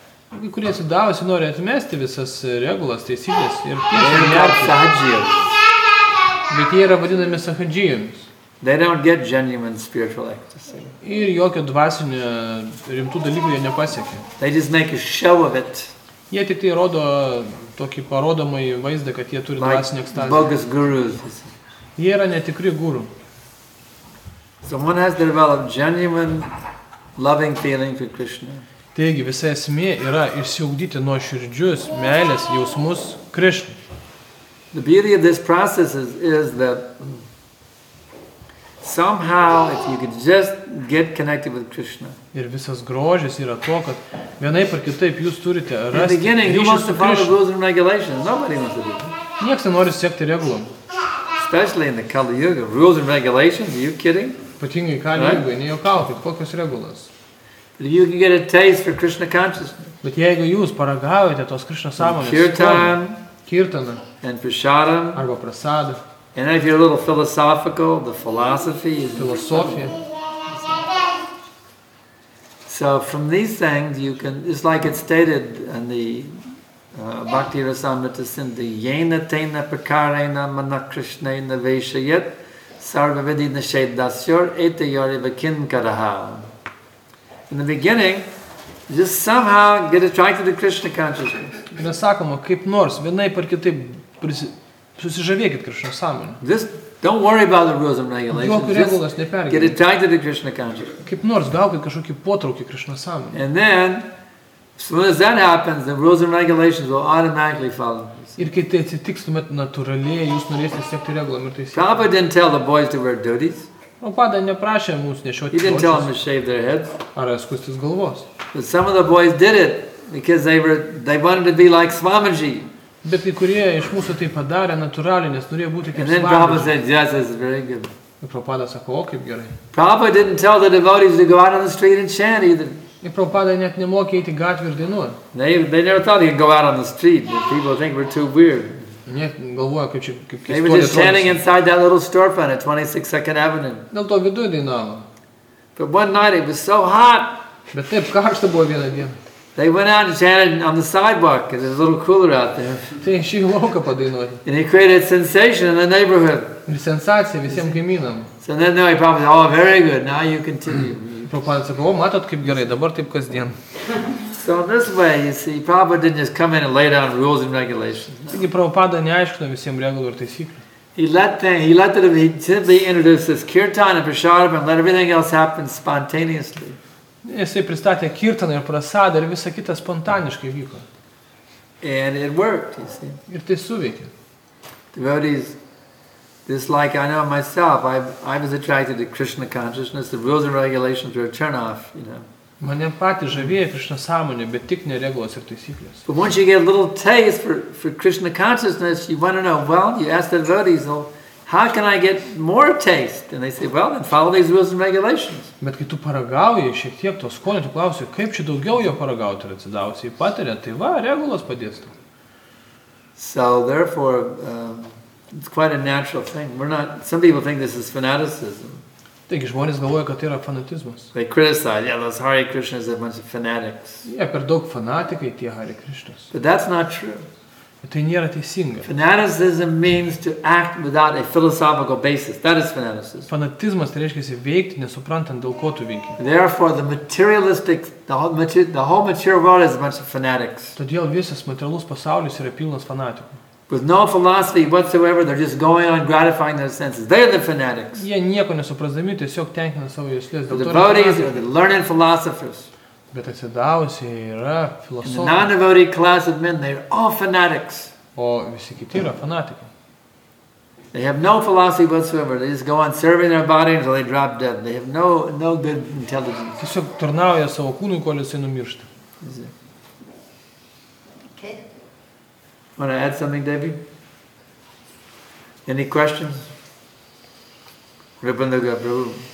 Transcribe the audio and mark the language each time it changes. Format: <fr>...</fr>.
<lt>Kai kurie sudavosi nori atmesti visas regulas, teisybės ir tiesiai. Bet jie yra vadinami sahadžijomis.</lt> <en>They don't get genuine spiritual ecstasy.</en> <lt>Ir jokio dvasinio rimtų dalykų jie nepasiekia.</lt> <en>They just make a show of it.</en> <lt>Jie tik tai rodo tokį parodomąjį vaizdą, kad jie turi dvasinį ekstazį.</lt> <en>Like bogus gurus.</en> <lt>Jie yra netikri guru.</lt> <en>Someone has to develop genuine loving feeling for Krishna.</en> <lt>Taigi, visa esmė yra išsiugdyti nuo širdžius, meilės, jausmus Krishna.</lt> <en>The beauty of this process is that somehow, if you could just get connected with Krishna.</en> <lt>Ir visas grožis yra to, kad vienai par kitaip jūs turite rasti ryšį su Krishna.</lt> <en>In the beginning, who wants to follow rules and regulations? Nobody wants to do that.</en> <lt>Nieks nenori sekti regulom.</lt> <en>Especially in the Kali Yuga. Rules and regulations? Are you kidding?</en> <lt>Patingai Kali Yuga, nejaukaukit, kokios regulos.</lt> <en>But if you can get a taste for Krishna consciousness.</en> <lt>Bet jeigu jūs paragavote tos Krishna sąmonės,</lt> <en>kirtana, and prasadam,</en> <lt>arba prasadam,</lt> <en>and if you're a little philosophical, the philosophy is philosophia. So from these things you can, it's like it's stated in the Bhakti Rasamrita Sindhu,</en> <sa>yena tena prakarena mana krishna na veshayat sarva vidhi nishedasyor eta yori vakin karaha.</sa> <en>In the beginning, just somehow get attracted to Krishna consciousness.</en> <lt>yra sakoma, kaip nors, vienaip ar kitaip susižavėkit Krishna sąmonę.</lt> <en>Don't worry about the rules and regulations. Get attracted to Krishna consciousness.</en> <lt>Kaip nors gaukit kažkokį potraukį Krishna sąmonę.</lt> <en>And then, as soon as that happens, the rules and regulations will automatically follow.</en> <lt>Ir kai tai atsitiks, tuomet natūraliai jūs norėsite sekti regulam ir taisyklėm.</lt> <en>Prabhupada didn't tell the boys to wear duties.</en> <lt>Prabhupada neprašė mūsų nešioti kojas.</lt> <en>He didn't tell them to shave their heads.</en> <lt>Ar skustis galvos.</lt> <en>But some of the boys did it because they wanted to be like Swamiji.</en> <lt>Bet kai kurie iš mūsų tai padarė natūraliai, nes norėjo būti kaip</lt> <en>Swamiji. And then Prabhupada said, yes, this is very good.</en> <lt>Ir Prabhupada sako, o kaip gerai.</lt> <en>Prabhupada didn't tell the devotees to go out on the street and chant either.</en> <lt>Ir Prabhupada net nemokė eiti gatvį ir dainuoti.</lt> <en>They never thought he'd go out on the street. The people think we're too weird.</en> <lt>Net galvoja, kaip čia kaip keistuolis.</lt> <en>They were just standing inside that little storefront at 26 Second Avenue.</en> <lt>Dėl to viduje dainavo.</lt> <en>But one night it was so hot.</en> <lt>Bet taip karšta buvo vieną dieną.</lt> <en>They went out and chanted on the sidewalk because it was a little cooler out there.</en> <lt>Tai išėjo lauką padainuoti.</lt> <en>And it created sensation in the neighborhood.</en> <lt>Ir sensacija visiem kaimynam.</lt> <en>So then they probably said, oh, very good, now you continue.</en> <lt>Prabhupada sako, o, matot, kaip gerai, dabar taip kasdien.</lt> <en>So this way, you see, Prabhupada didn't just come in and lay down rules and regulations.</en> <lt>Taigi, Prabhupada neaiškino visiems regulų ir taisyklių.</lt> <en>He simply introduced this kirtan and prasadam and let everything else happen spontaneously.</en> <lt>Jisai pristatė kirtaną ir prasadą ir visa kita spontaniškai vyko.</lt> <en>And it worked, you see.</en> <lt>Ir tai suveikė.</lt> <en>Devotees, just like I know myself, I was attracted to Krishna consciousness. The rules and regulations were a turn off, you know.</en> <lt>Mane patį žavėjo Krishna sąmonė, bet tik ne regulos ir taisyklės.</lt> <en>But once you get a little taste for Krishna consciousness, you want to know, well, you ask the devotees, well, how can I get more taste? And they say, well, then follow these rules and regulations.</en> <lt>Bet kai tu paragauji šiek tiek to skonio, tu klausi, kaip čia daugiau jo paragauti ir atsidausi į patirę, tai va, regulos padės tu.</lt> <en>So, therefore, it's quite a natural thing. Some people think this is fanaticism.</en> <lt>Taigi žmonės galvoja, kad tai yra fanatizmas.</lt> <en>They criticize, yeah, those Hare Krishnas are a bunch of fanatics.</en> <lt>Yeah, per daug fanatikai tie Hare Krishnas.</lt> <en>But that's not true.</en> <lt>Bet tai nėra teisinga.</lt> <en>Fanaticism means to act without a philosophical basis. That is fanaticism.</en> <lt>Fanatizmas tai reiškia veikti, nesuprantant, dėl ko tu veiki.</lt> <en>Therefore, the whole material world is a bunch of fanatics.</en> <lt>Todėl visas materialus pasaulis yra pilnas fanatikų.</lt> <en>With no philosophy whatsoever, they're just going on gratifying their senses. They are the fanatics.</en> <lt>Jie nieko nesuprasdami, tiesiog tenkina savo jausles.</lt> <en>The devotees are the learned philosophers.</en> <lt>Bet atsidavusieji yra filosofai.</lt> <en>In the non-devotee class of men, they are all fanatics.</en> <lt>O visi kiti yra fanatikai.</lt> <en>They have no philosophy whatsoever. They just go on serving their body until they drop dead. They have no good intelligence.</en> <lt>Tiesiog tarnauja savo kūnui, kol jisai numiršta.</lt> <en>Want to add something, Debbie? Any questions? Ribbon the Gabru.</en>